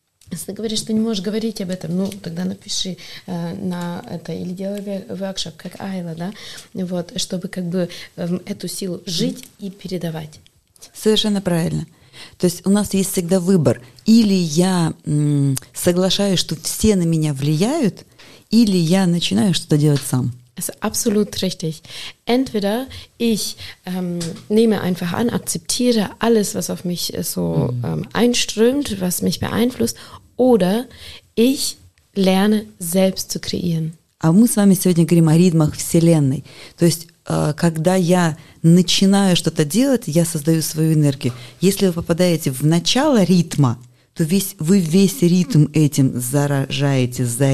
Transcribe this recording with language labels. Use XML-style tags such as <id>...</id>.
<ru>Если ты говоришь, что не можешь говорить об этом, ну, тогда напиши на это, или делай workshop, как Айла, да, вот, чтобы как бы эту силу жить и передавать. Совершенно правильно. То есть у нас есть всегда выбор. Или я соглашаюсь, что все на меня влияют, или я начинаю что-то делать сам.</ru> <de>Also absolut richtig. Entweder ich nehme einfach an, akzeptiere alles, was auf mich so einströmt, was mich beeinflusst, oder ich lerne selbst zu kreieren.</de> <ru>Aber мы с вами сегодня говорим о ритмах Вселенной. То есть, когда я начинаю что-то делать, я создаю свою энергию. Если вы попадаете в начало ритма, то вы весь ритм этим заряжаете.</ru>